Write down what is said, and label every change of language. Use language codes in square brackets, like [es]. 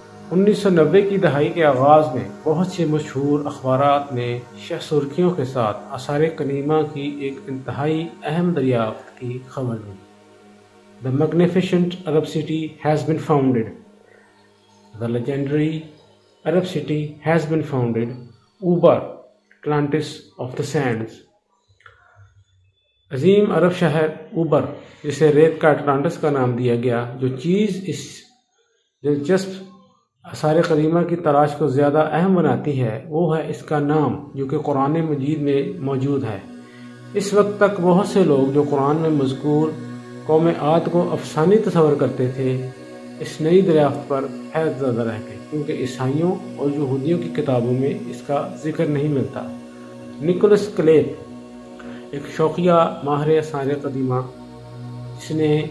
[ur] 1990 کی دہائی کے آغاز میں بہت سے مشہور اخبارات نے شہ سرخیوں کے ساتھ آثار کلیمہ کی ایک انتہائی اہم دریافت کی خبر دی۔ [en] The magnificent Arab city has been founded. The legendary Arab city has been founded. Uber, Atlantis of the sands. [ur] عظیم عرب شہر اوبر، جسے ریت کا اٹلانٹس کا نام دیا گیا، جو چیز اس دلچسپ آثار قدیمہ کی تلاش کو زیادہ اہم بناتی ہے وہ ہے اس کا نام، جو کہ قرآن مجید میں موجود ہے۔ اس وقت تک بہت سے لوگ جو قرآن میں مذکور قوم عاد کو افسانی تصور کرتے تھے، اس نئی دریافت پر حیرت زدہ رہ گئے کیونکہ عیسائیوں اور یہودیوں کی کتابوں میں اس کا ذکر نہیں ملتا۔ نکولس کلیپ، ایک شوقیہ ماہر آثار قدیمہ، جس نے